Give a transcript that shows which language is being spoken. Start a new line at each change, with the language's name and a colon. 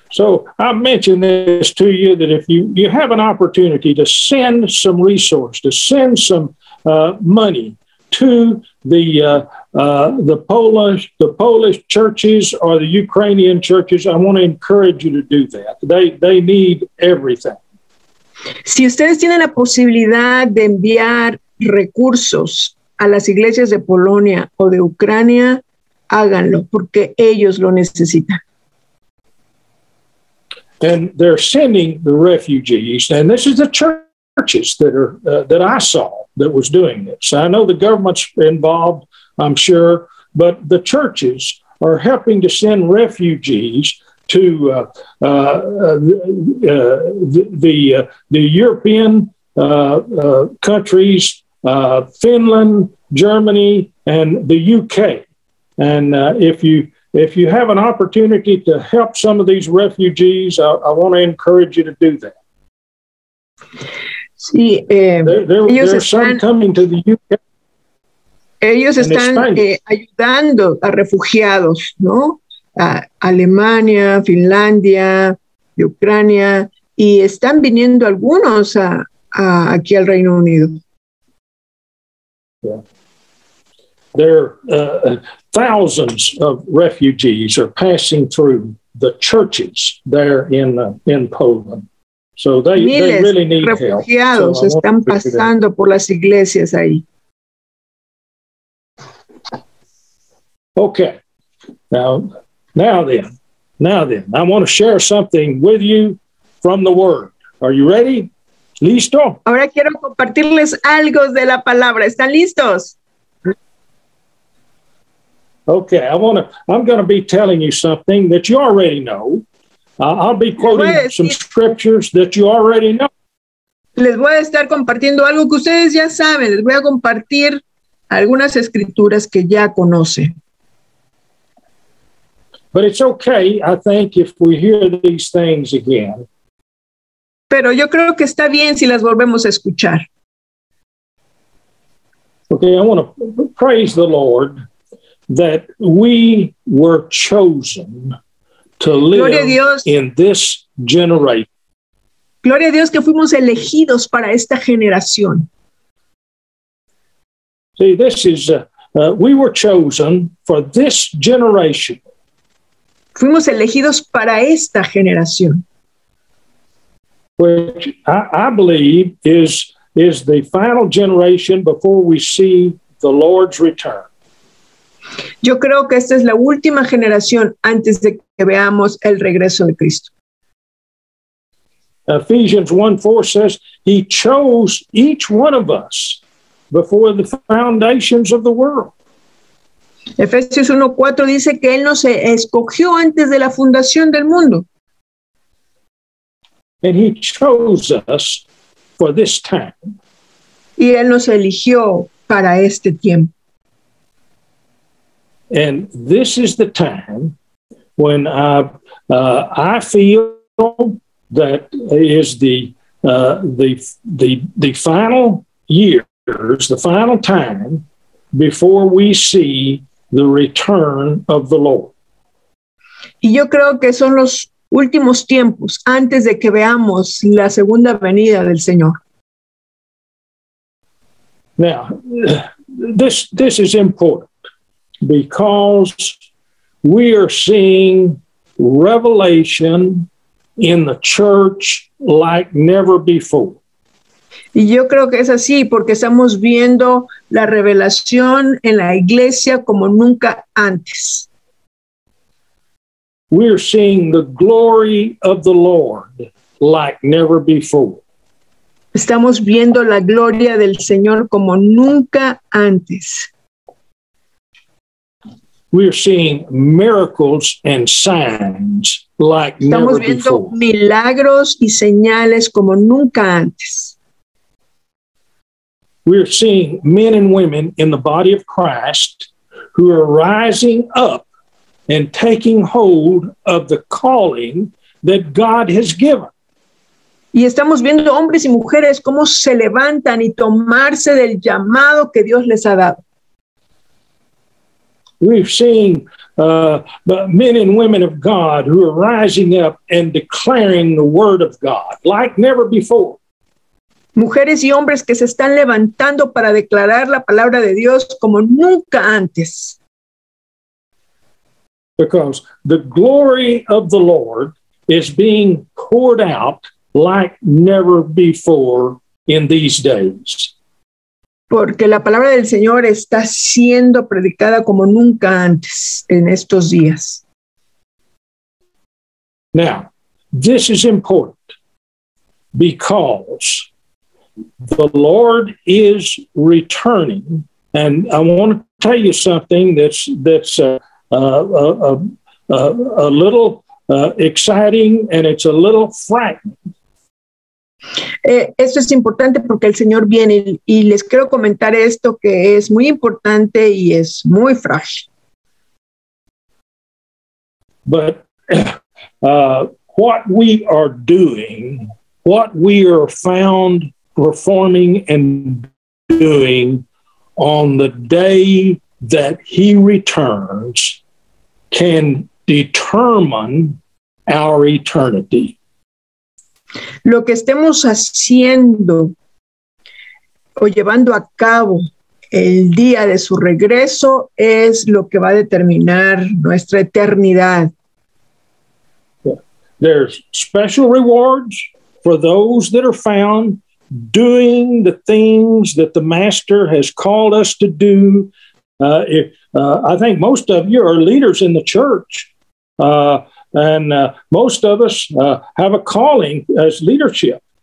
English: So I mentioned this to you that if you have an opportunity to send some resource, to send some money to the Polish churches or the Ukrainian churches, I want to encourage you to do that. They need everything.
Spanish: Si ustedes tienen la posibilidad de enviar recursos a las iglesias de Polonia o de Ucrania, háganlo porque ellos lo necesitan.
English: And they're sending the refugees, and this is the churches that are that I saw that was doing this. I know the government's involved, I'm sure, but the churches are helping to send refugees to the European countries, Finland, Germany, and the UK. And if you have an opportunity to help some of these refugees, I want to encourage you to do that.
Spanish: Sí,
English: there are some coming to the UK.
Spanish: Ellos están ayudando a refugiados, ¿no? A Alemania, Finlandia, Ucrania, y están viniendo algunos a aquí al Reino Unido.
English: Yeah. There are thousands of refugees are passing through the churches there in Poland. So they really need
Spanish: refugiados So están pasando por las iglesias ahí.
English: Okay. Now then, I want to share something with you from the Word. Are you ready?
Spanish: Listo. Ahora quiero compartirles algo de la palabra. ¿Están listos?
English: Okay, I'm going to be telling you something that you already know. I'll be quoting some scriptures that you already know.
Spanish: Les voy a estar compartiendo algo que ustedes ya saben. Les voy a compartir algunas escrituras que ya conocen.
English: But it's okay, I think, if we hear these things again.
Spanish: Pero yo creo que está bien si las volvemos a escuchar.
English: Okay, I want to praise the Lord that we were chosen to live in this generation.
Spanish: Gloria a Dios que fuimos elegidos para esta generación.
English: See, this is, we were chosen for this generation.
Spanish: Fuimos elegidos para esta generación.
English: Which I believe is the final generation before we see the Lord's return.
Spanish: Yo creo que esta es la última generación antes de que veamos el regreso de Cristo.
English: Ephesians 1:4 says, He chose each one of us before the foundations of the world.
Spanish: Efesios 1:4 dice que Él nos escogió antes de la fundación del mundo.
English: And He chose us for this time.
Spanish: Y Él nos eligió para este tiempo.
English: And this is the time when I feel that is the final years, the final time before we see the return of the Lord.
Spanish: Y yo creo que son los últimos tiempos antes de que veamos la segunda venida del Señor.
English: Now, this is important. Because we are seeing revelation in the church like never before.
Spanish: Y yo creo que es así porque estamos viendo la revelación en la iglesia como nunca antes.
English: We are seeing the glory of the Lord like never before.
Spanish: Estamos viendo la gloria del Señor como nunca antes.
English: We are seeing miracles and signs like
Spanish: Estamos
English: never
Spanish: viendo
English: before.
Spanish: Milagros y señales como nunca antes.
English: We are seeing men and women in the body of Christ who are rising up and taking hold of the calling that God has given.
Spanish: Y estamos viendo hombres y mujeres cómo se levantan y tomarse del llamado que Dios les ha dado.
English: We've seen men and women of God who are rising up and declaring the word of God like never before.
Spanish: Mujeres y hombres que se están levantando para declarar la palabra de Dios como nunca antes.
English: Because the glory of the Lord is being poured out like never before in these days.
Spanish: Porque la palabra del Señor está siendo predicada como nunca antes en estos días.
English: Now, this is important because the Lord is returning, and I want to tell you something that's a little exciting and it's a little frightening.
Spanish: Esto es importante porque el Señor viene y les quiero comentar esto que es muy importante y es muy frágil.
English: But what we are doing, what we are found performing and doing on the day that He returns can determine our eternity.
Spanish: Lo que estemos haciendo o llevando a cabo el día de su regreso es lo que va a determinar nuestra eternidad.
English: There's special rewards for those that are found doing the things that the Master has called us to do. I think most of you are leaders in the church, most of us have a calling as leadership.